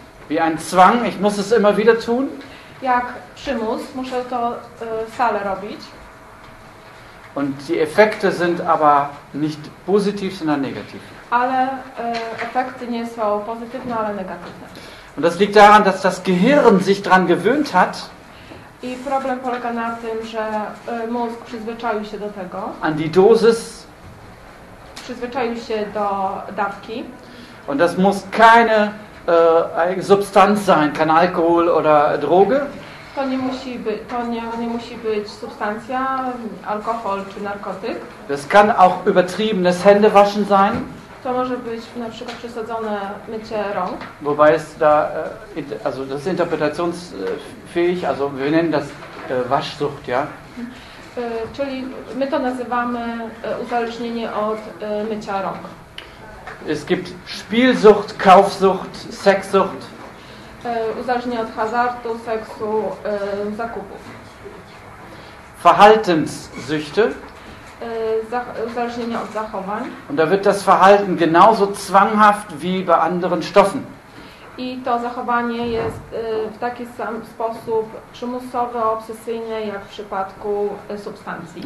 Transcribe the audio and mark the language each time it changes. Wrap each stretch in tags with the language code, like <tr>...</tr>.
<de>Wie ein Zwang, ich muss es immer wieder tun.</de> <pl>Jak przymus, muszę to stale robić.</pl> <de>Und die Effekte sind aber nicht positiv, sondern negativ.</de> <pl>Ale efekty nie są pozytywne, ale negatywne.</pl> <de>Und das liegt daran, dass das Gehirn sich dran gewöhnt hat.</de> <pl>I problem polega na tym, że mózg przyzwyczaił się do tego.</pl> <de>An die Dosis.</de> <pl>Przyzwyczaił się do dawki.</pl> <de>Und das muss keine Substanz sein, kein Alkohol oder Droge.</de> <pl>To nie musi być substancja, alkohol czy narkotyk.</pl> <de>Das kann auch übertriebenes Händewaschen sein.</de> <pl>To może być na przykład przesadzone mycie rąk.</pl> <de>Wobei es da, also das ist interpretationsfähig, also wir nennen das Waschsucht, ja.</de> <pl>Czyli my to nazywamy uzależnienie od mycia rąk.</pl> <de>Es gibt Spielsucht, Kaufsucht, Sexsucht.</de> <pl>Uzależnienie od hazardu, seksu, zakupów.</pl> <de>Verhaltenssüchte.</de> <pl>Uzależnienie od zachowań.</pl> <de>Und da wird das Verhalten genauso zwanghaft wie bei anderen Stoffen.</de> <pl>I to zachowanie jest w taki sam sposób przymusowe, obsesyjne, jak w przypadku substancji.</pl>